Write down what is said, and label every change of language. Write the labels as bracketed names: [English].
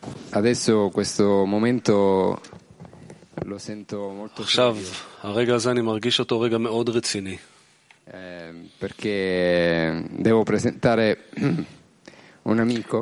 [Italian] Adesso questo momento lo sento molto serio. [Hebrew] עכשיו, הרגע הזה אני מרגיש אותו רגע מאוד רציני. [Italian] Perché devo presentare un amico.